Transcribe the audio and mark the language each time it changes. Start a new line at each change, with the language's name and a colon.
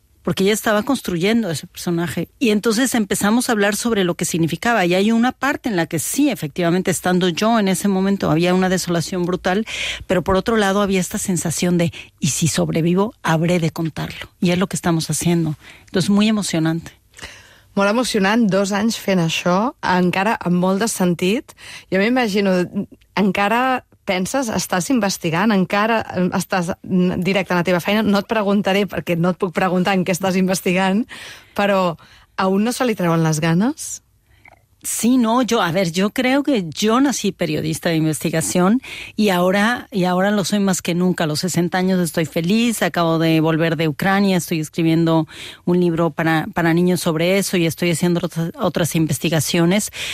Spanish: Porque ella estaba construyendo ese personaje. Y entonces empezamos a hablar sobre lo que significaba. Y hay una parte en la que sí, efectivamente, estando yo en ese momento, había una desolación brutal. Pero por otro lado, había esta sensación de, ¿y si sobrevivo, habré de contarlo? Y es lo que estamos haciendo. Entonces, muy emocionante.
Catalan: Molt emocionant, 2 anys fent això, encara amb molt de sentit. Jo m'imagino, encara penses, estàs investigant, encara estàs directe a la teva feina, no et preguntaré perquè no et puc preguntar en què estàs investigant, però a un no se li treuen les ganes?
Spanish: Sí, no, yo creo que yo nací periodista de investigación y ahora lo soy más que nunca. A los 60 años estoy feliz, acabo de volver de Ucrania, estoy escribiendo un libro para niños sobre eso y estoy haciendo otras investigaciones.